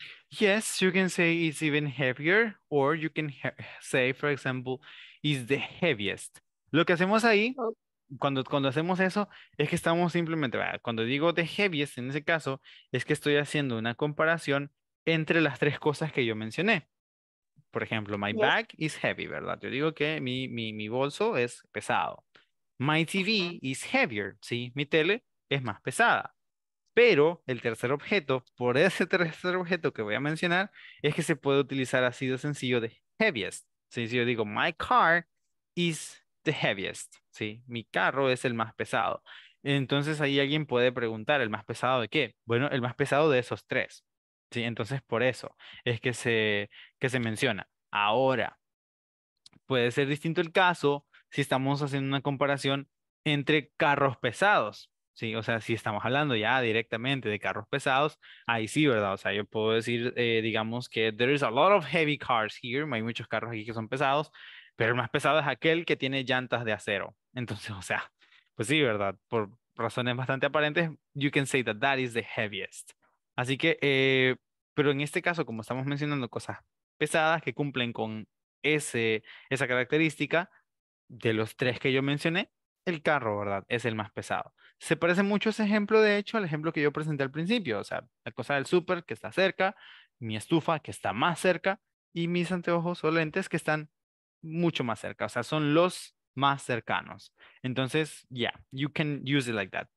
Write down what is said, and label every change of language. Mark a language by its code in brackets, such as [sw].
[en] Yes, you can say it's even heavier, or you can say, for example, is the heaviest. [es] Lo que hacemos ahí, cuando hacemos eso, es que estamos simplemente, ¿verdad? Cuando digo [en] the heaviest, [es] en ese caso, es que estoy haciendo una comparación entre las tres cosas que yo mencioné. Por ejemplo, [en] my bag is heavy, [es] ¿verdad? Yo digo que mi bolso es pesado. [en] My TV is heavier, [es] ¿sí? Mi tele es más pesada. Pero el tercer objeto, por ese tercer objeto que voy a mencionar, es que se puede utilizar así de sencillo de heaviest. Si yo digo, [en] my car is the heaviest. [es] ¿Sí? Mi carro es el más pesado. Entonces ahí alguien puede preguntar, ¿el más pesado de qué? Bueno, el más pesado de esos tres. ¿Sí? Entonces por eso es que se menciona. Ahora, puede ser distinto el caso si estamos haciendo una comparación entre carros pesados. Sí, o sea, si estamos hablando ya directamente de carros pesados, ahí sí, ¿verdad? O sea, yo puedo decir, digamos que [en] there is a lot of heavy cars here. [es] Hay muchos carros aquí que son pesados, pero el más pesado es aquel que tiene llantas de acero. Entonces, o sea, pues sí, ¿verdad? Por razones bastante aparentes, [en] you can say that that is the heaviest. [es] Así que, pero en este caso, como estamos mencionando cosas pesadas que cumplen con esa característica de los tres que yo mencioné, el carro, ¿verdad? Es el más pesado. Se parece mucho ese ejemplo, de hecho, al ejemplo que yo presenté al principio. O sea, la cosa del súper que está cerca, mi estufa que está más cerca y mis anteojos o lentes que están mucho más cerca. O sea, son los más cercanos. Entonces, [en] yeah, you can use it like that.